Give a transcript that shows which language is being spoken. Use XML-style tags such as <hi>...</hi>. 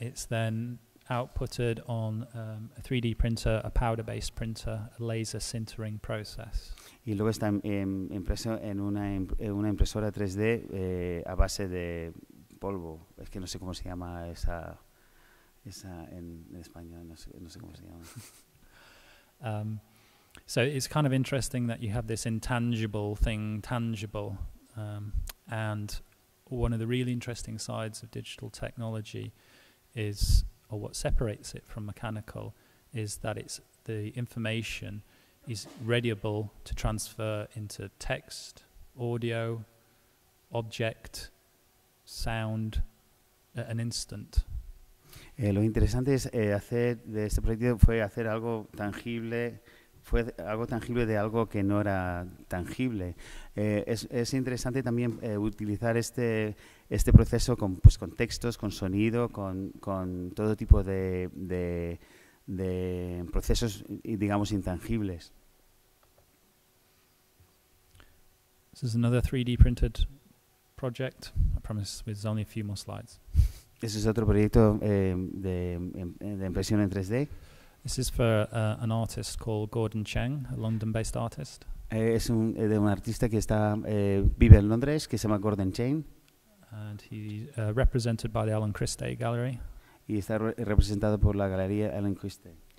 <en>It's then outputted on a 3D printer, a powder-based printer, a laser sintering process.</en> <es>Y luego está impreso en una impresora 3D a base de polvo. Es que no sé cómo se llama esa en español, no sé cómo se llama.</es> <en>So it's kind of interesting that you have this intangible thing tangible. And one of the really interesting sides of digital technology is, or what separates it from mechanical, is that it's the information is readable to transfer into text, audio, object, sound at an instant.</en> <es>Lo interesante es hacer de este proyecto fue hacer algo tangible, fue algo tangible de algo que no era tangible. Es interesante también utilizar este proceso con, pues, con textos, con sonido, con todo tipo de procesos, digamos, intangibles.</es> <en>This is another 3D printed project. I promise there's only a few more slides.</en> <es>Este es otro proyecto de impresión en 3D.</es> <en>This is for an artist called Gordon Cheng, a London-based artist.</en> <es>Es un de un artista que está vive en Londres, que se llama Gordon Cheng.</es> <en>And he's represented by the Alan Christie Gallery.</en> <es>Y está representado por la galería Alan Christie.</es>